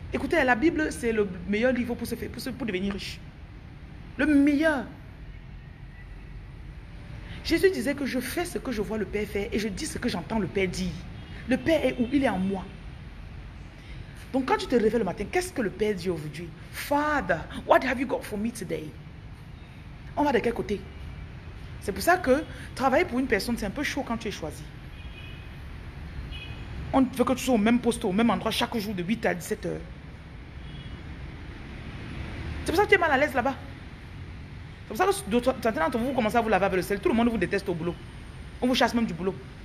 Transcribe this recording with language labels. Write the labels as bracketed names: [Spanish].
[French] Écoutez, la Bible, c'est le meilleur livre pour se faire, pour devenir riche. Le meilleur. Jésus disait que je fais ce que je vois le Père faire et je dis ce que j'entends le Père dire. Le Père est où? Il est en moi. Donc quand tu te réveilles le matin, qu'est-ce que le Père dit aujourd'hui? [English] Father, what have you got for me today? [French] On va de quel côté? C'est pour ça que travailler pour une personne, c'est un peu chaud quand tu es choisi. On veut que tu sois au même poste, au même endroit, chaque jour de 8 à 17 heures. C'est pour ça que tu es mal à l'aise là-bas. C'est pour ça que certains d'entre vous commencez à vous laver avec le sel. Tout le monde vous déteste au boulot. On vous chasse même du boulot.